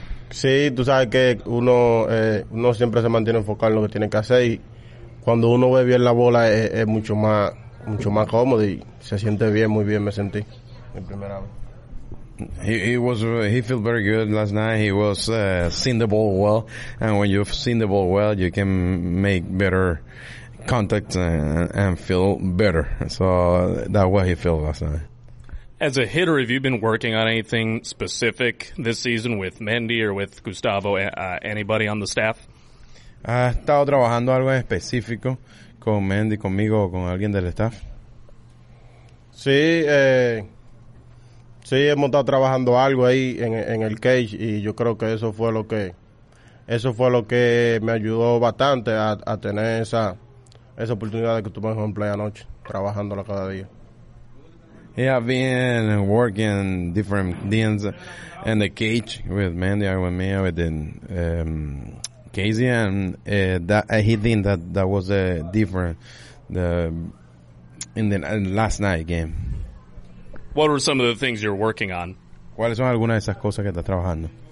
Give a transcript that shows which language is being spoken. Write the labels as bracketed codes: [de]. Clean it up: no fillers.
[es] Sí, tú sabes que uno siempre se mantiene enfocado en lo que tiene que hacer, y cuando uno ve bien la bola es mucho más cómodo y se siente bien, muy bien me sentí. Mi primera vez. [en] He felt very good last night. He was seeing the ball well, and when you've seen the ball well, you can make better contact and feel better. So that was what he felt last night. As a hitter, have you been working on anything specific this season with Mendy or with Gustavo, anybody on the staff? [es] Ha estado trabajando algo específico con Mendy, conmigo o con alguien del staff. Sí, sí, hemos estado trabajando algo ahí en el cage, y yo creo que eso fue lo que me ayudó bastante a tener esa oportunidad de que tuve en play anoche, trabajándola cada día. [en] He has been working different things in the cage with Mendy, with me, with the Casey, and he think that was a different in the last night game. What were some of the things you're working on? [es] ¿Cuáles son algunas de esas cosas que estás trabajando?